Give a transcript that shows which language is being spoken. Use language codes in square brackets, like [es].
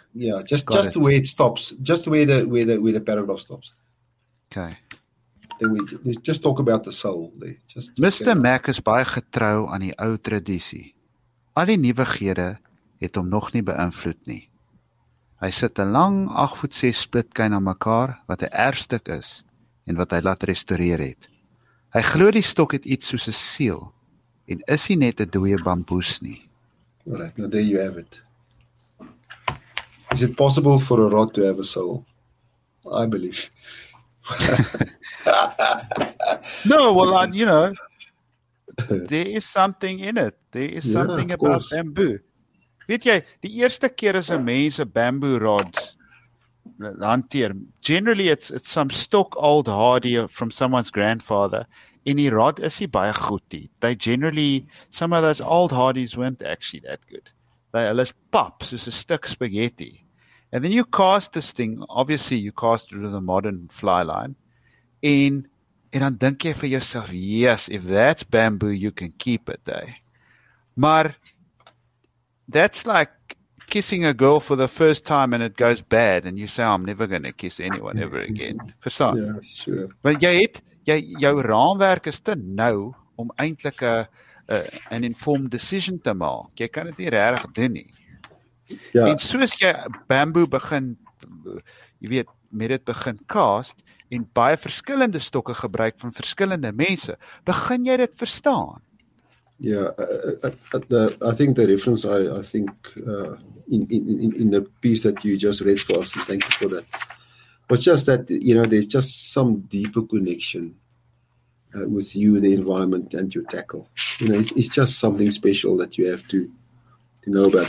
[en] Yeah, just the way it stops, just where the paragraph stops. Okay. Then we just talk about the soul. Just [af] Mr. Mac is baie getrou aan die ou tradisie. Al die nuwighede het hom nog nie beïnvloed nie. Hy sit 'n lang 8-voet-6 splitkyn aan mekaar wat 'n erfstuk is en wat hy laat restoreer het. Hy glo die stok het iets soos 'n siel en is hy net 'n dooie bamboes nie. [en] Alright, now there you have it. Is it possible for a rod to have a soul? I believe. No, well, you know, there is something in it. There is something about course. Bamboo. [af] Weet jy, die eerste keer as 'n mens 'n bamboo rod hanteer, [en] generally it's some stock old hardy from someone's grandfather. [af] En die rod is hy baie goed die. [en] They generally, some of those old hardies weren't actually that good. [af] Hulle is pap, soos 'n stuk spaghetti. [en] And then you cast this thing, obviously you cast it with a modern fly line. [af] En dan dink jy vir jouself, [en] yes, if that's bamboo, you can keep it, eh? Maar, that's like kissing a girl for the first time and it goes bad. And you say, I'm never going to kiss anyone ever again. [af] Verstaan? [en] Yeah, sure. [af] Want jy het, jou raamwerk is te nou om eintlik 'n informed decision te maak. Jy kan dit nie regtig doen nie. Ja. En soos jy bamboo begin, jy weet, met dit begin cast en baie verskillende stokke gebruik van verskillende mense, begin jy dit verstaan? [en] Ja, I think the reference I think in the piece that you just read for us, and thank you for that, was just that, you know, there's just some deeper connection with you, the environment and your tackle. You know, it's just something special that you have to know about.